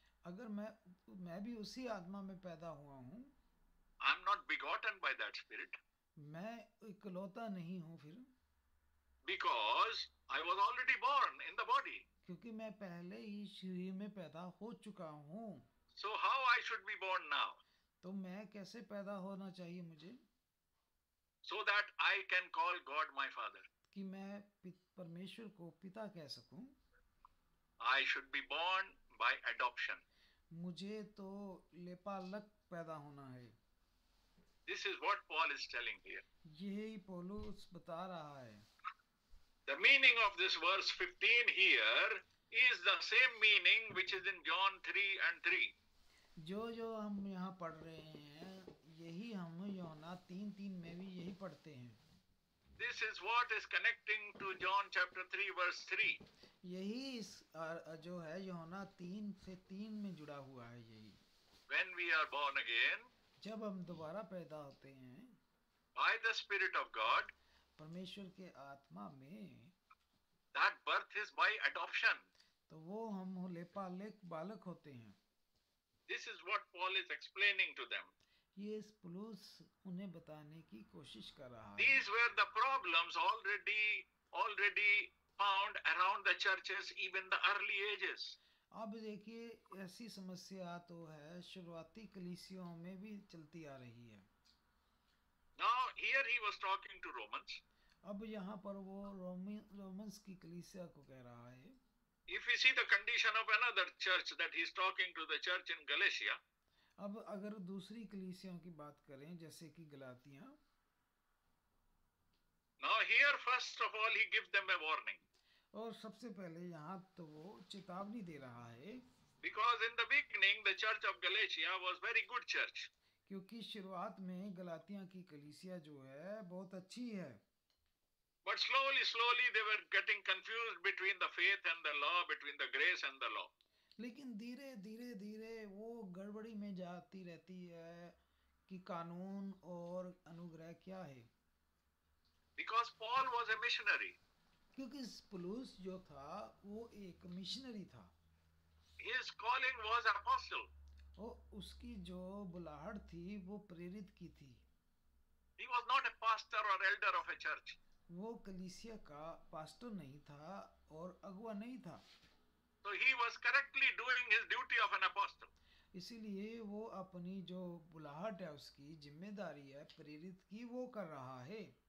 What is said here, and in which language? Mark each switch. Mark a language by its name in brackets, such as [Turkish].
[Hindi] अगर मैं भी उसी आत्मा में पैदा हुआ हूँ, [English] I am not begotten by that spirit, [Hindi] मैं इकलौता नहीं हूँ फिर, [English] because I was already born in the body, [Hindi] क्योंकि मैं पहले ही शरीर में पैदा हो चुका हूँ. [English] So how I should be born now? [Hindi] तो मैं कैसे पैदा होना चाहिए मुझे? [English] So that I can call God my father. [Hindi] कि मैं परमेश्वर को पिता कह सकूं. [English] I should be born by adoption. [Hindi] मुझे तो लेपालक पैदा होना है. [English] This is what Paul is telling here. [Hindi] यही पौलुस बता रहा है. [English] The meaning of this verse 15 here is the same meaning which is in John 3 and 3. [Hindi] जो जो हम यहाँ पढ़ रहे हैं यही हम योना 3:3 में भी यही पढ़ते हैं. [English] This is what is connecting to John chapter 3 verse 3. [Hindi] यही इस जो है योना 3:3 में जुड़ा हुआ है यही. [English] When we are born again, [Hindi] जब हम दोबारा पैदा होते हैं, [English] by the Spirit of God, [Hindi] परमेश्वर के आत्मा में, [English] that birth is by adoption. [Hindi] तो वो हम लेपालेक बालक होते हैं. [English] This is what Paul is explaining to them. [Hindi] Yes, Paulus उन्हें बताने की कोशिश कर रहा है. [English] These were the problems already found around the churches, even the early ages. [Hindi] अब देखिए ऐसी समस्या तो है शुरुआती कलीसियों में भी चलती आ रही है. [English] Now here he was talking to Romans. [Hindi] अब यहाँ पर वो रोमन्स की कलीसिया को कह रहा है. [English] If you see the condition of another church that he is talking to, the church in Galatia. [Hindi] अब अगर दूसरी कलीसियाओं की बात करें जैसे कि गलातियाँ. [English] Now here first of all he gives them a warning. [Hindi] और सबसे पहले यहाँ तो वो चेतावनी दे रहा है. [English] Because in the beginning the church of Galatia was very good church. [Hindi] क्योंकि शुरुआत में गलातियाँ की कलीसिया जो है बहुत अच्छी है. [English] But slowly they were getting confused between the faith and the law, between the grace and the law. [Hindi] लेकिन धीरे-धीरे वो गड़बड़ी में जाती रहती है कि कानून और अनुग्रह क्या है. [English] Because Paul was a missionary. [Hindi] क्योंकि पौलुस जो था वो एक मिशनरी था. [English] His calling was apostle. [Hindi] वो उसकी जो बुलाहट थी वो प्रेरित की थी. [English] He was not a pastor or elder of a church. [Hindi] वो कलीसिया का पास्टर नहीं था और अगुआ नहीं था. [English] So he was correctly doing his duty of an apostle. [Hindi] इसीलिए वो अपनी जो बुलाहट है उसकी जिम्मेदारी है प्रेरित की वो कर रहा है.